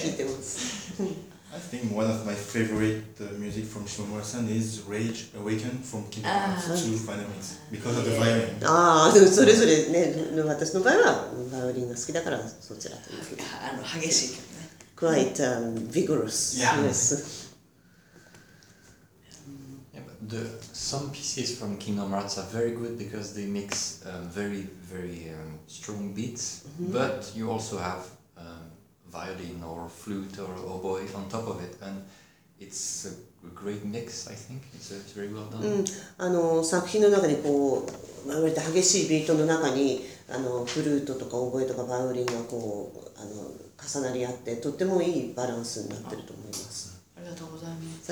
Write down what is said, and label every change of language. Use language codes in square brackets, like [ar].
[en] I think one of my favorite music from Shimomura-san is Rage Awakened from Kingdom Hearts 2 Final Mix because of the violin. [ja] でもそれぞれね、私の場合はバイオリンが好きだからそちらというふうに。激しい。 [en] Quite vigorous. Yeah. Yes. Yeah, but some pieces from Kingdom Hearts are very good because they mix very, very strong beats, but you also have violin or flute or oboe on top of it, and it's a great mix. I think it's very well done. [ja] 作品の中にこう、まるで激しいビートの中にフルートとかオボエとかバイオリンがこう重なり合って、とってもいいバランスになってると思います。ありがとうございます。